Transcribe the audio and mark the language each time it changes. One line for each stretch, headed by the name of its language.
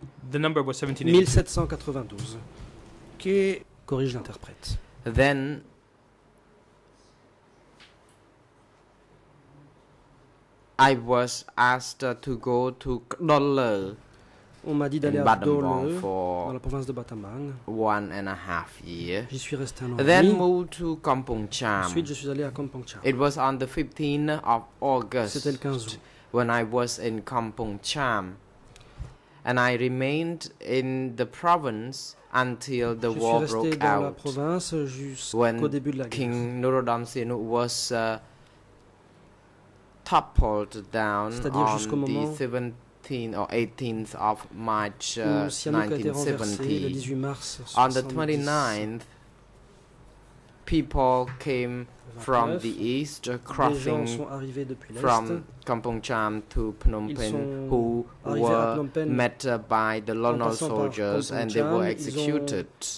English: The number was
French: 1792. Corrige l'interprète.
English: Then, I was asked to go to Knoll
French: On m'a dit d'aller à Dole, dans la province de Battambang.
English: One and a half year.
French: J'y suis resté un an.
English: Then moved to Kampong Cham.
French: Ensuite, je suis allé à Kampong Cham.
English: It was on the 15th of August.
French: C'était le 15 août.
English: When I was in Kampong Cham. And I remained in the province until the war broke out.
French: Je suis resté dans la province jusqu'au début de la guerre.
English: When King Norodom Sihanouk was toppled down on the 17th or 18th of March 1917. On the 29th, people came from the east, crossing from Kampong Cham to Phnom Penh, who were met by the Lonol soldiers and they were executed.